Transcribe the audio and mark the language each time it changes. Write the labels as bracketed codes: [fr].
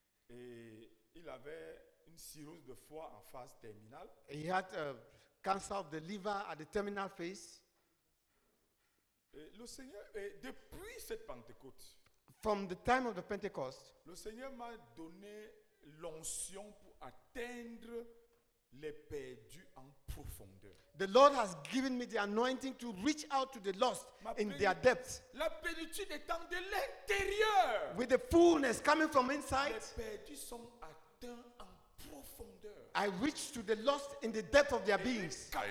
[fr] Et il avait une cirrhose de foie en phase terminale. [en] He had a cancer of the liver at the terminal phase. [fr] Et le Seigneur, et depuis cette Pentecôte. [en] From the time of the Pentecost. [fr] Le Seigneur m'a donné l'onction pour atteindre les perdus en profondeur. [en] The Lord has given me the anointing to reach out to the lost in their depths. [fr] La plénitude étant de l'intérieur. [en] With the fullness coming from inside. [fr] Les perdus sont atteints en profondeur. [en] I reach to the lost in the depth of their beings.